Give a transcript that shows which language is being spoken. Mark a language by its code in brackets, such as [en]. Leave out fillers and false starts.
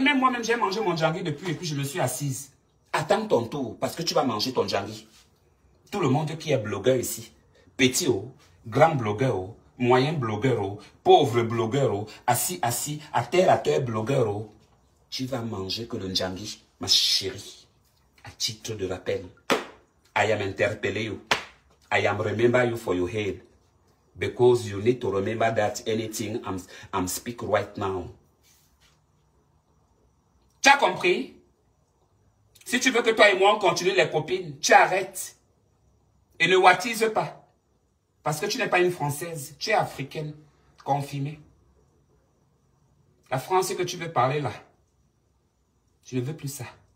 [fr] Même moi-même, j'ai mangé mon Djangui depuis et puis je me suis assise. Attends ton tour parce que tu vas manger ton Djangui. Tout le monde qui est blogueur ici, petit haut, grand blogueur haut, moyen blogueur haut, pauvre blogueur haut, assis, à terre blogueur haut, tu vas manger que le Djangui, ma chérie, à titre de rappel. [en] I am interpellé, I am remember you for your head, because you need to remember that anything I'm speak right now. [fr] Tu as compris? Si tu veux que toi et moi on continue les copines, tu arrêtes. Et ne wattise pas. Parce que tu n'es pas une Française. Tu es africaine. Confirmée. La France que tu veux parler là. Tu ne veux plus ça.